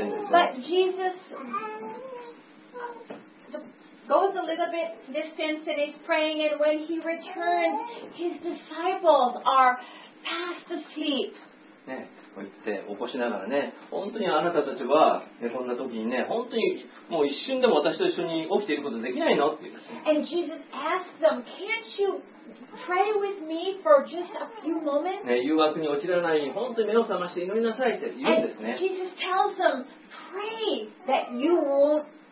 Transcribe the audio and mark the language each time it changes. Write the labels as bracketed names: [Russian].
[English] But Jesus. Goes a little bit distance and is praying, and when he returns, his disciples are fast asleep. [Japanese] ね、こう言って起こしながらね、本当にあなたたちは、ね、こんな時にね、本当にもう一瞬でも私と一緒に起きていることできないのって言います。 [English] And Jesus asks them, "Can't you pray with me for just a few moments?" [Japanese] ね、誘惑に陥らないように本当に目を覚まして祈りなさいって言うんですね。 [English] And Jesus tells them, "Pray that you won't."